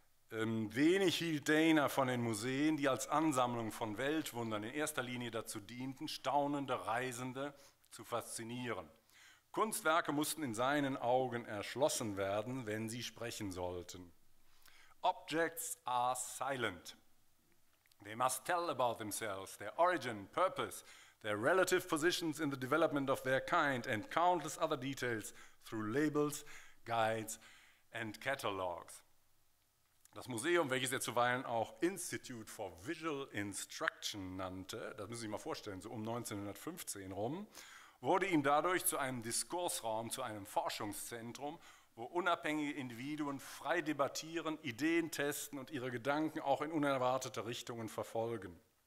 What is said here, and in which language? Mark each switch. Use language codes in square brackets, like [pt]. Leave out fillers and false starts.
[de] Wenig hielt Dana von den Museen, die als Ansammlung von Weltwundern in erster Linie dazu dienten, staunende Reisende zu faszinieren. Kunstwerke mussten in seinen Augen erschlossen werden, wenn sie sprechen sollten. [en] Objects are silent. They must tell about themselves, their origin, purpose, their relative positions in the development of their kind and countless other details through labels, guides and catalogs. [de] Das Museum, welches er zuweilen auch Institute for Visual Instruction nannte, das müssen Sie sich mal vorstellen, so um 1915 rum, wurde ihm dadurch zu einem Diskursraum, zu einem Forschungszentrum, wo unabhängige Individuen frei debattieren, Ideen testen und ihre Gedanken auch in unerwartete Richtungen verfolgen.